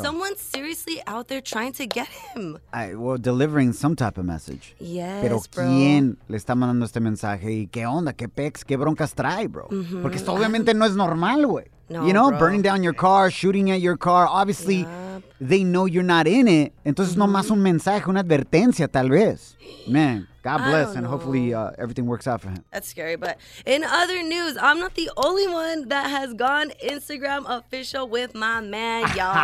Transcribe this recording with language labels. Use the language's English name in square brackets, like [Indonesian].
[English] Someone's seriously out there trying to get him. Delivering some type of message. Yes, [Spanish] pero [English] bro. [Spanish] ¿Quién le está mandando este mensaje? ¿Y qué onda? ¿Qué pex? ¿Qué broncas trae, bro? Mm-hmm. Porque esto obviamente no es normal, güey. No, [English] you know, bro. Burning down your car, shooting at your car. Obviously, they know you're not in it. [Spanish] Entonces, nomás un mensaje, una advertencia, tal vez. [English] Man, God bless, and hopefully everything works out for him. That's scary, but in other news, I'm not the only one that has gone Instagram official with my man, y'all.